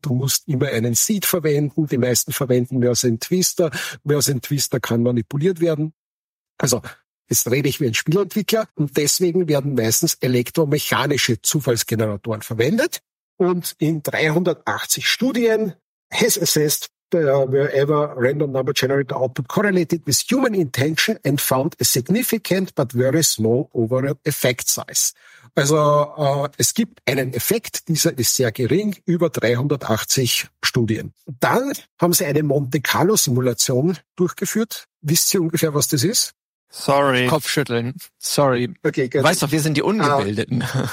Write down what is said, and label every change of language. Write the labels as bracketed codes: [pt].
[de] Du musst immer einen Seed verwenden. Die meisten verwenden mehr als einen Twister. Mehr als einen Twister kann manipuliert werden. Also, jetzt rede ich wie ein Spielentwickler. Und deswegen werden meistens elektromechanische Zufallsgeneratoren verwendet. Und in 380 Studien [en] has assessed wherever random number generator output correlated with human intention and found a significant but very small overall effect size. [de] Also es gibt einen Effekt, dieser ist sehr gering, über 380 Studien. Dann haben sie eine Monte Carlo Simulation durchgeführt. Wisst ihr ungefähr, was das ist? Sorry. Kopfschütteln. Sorry. Okay, gut. Weißt doch, wir sind die Ungebildeten.